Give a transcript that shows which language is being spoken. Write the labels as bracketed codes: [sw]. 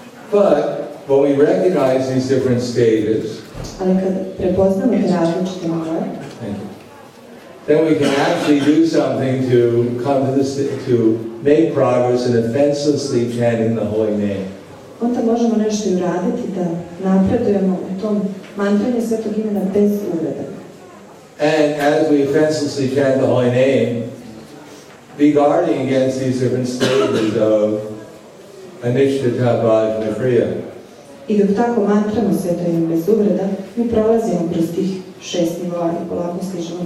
[en] But when we recognize these different stages, [sr] ali kad prepoznamo te različite nivoje, [en] then we can actually do something to come to this, to make progress in offenselessly chanting the holy name. [sr] Onda možemo nešto uraditi da napredujemo u tom mantranju svetog imena bez uvreda. [en] And as we offenselessly chant the holy name, be guarding against these different stages of anishtita bhajana kriya. [sr] I dok tako mantramo sveto ime bez uvreda, mi prolazimo kroz tih šest nivoa i polako stižemo.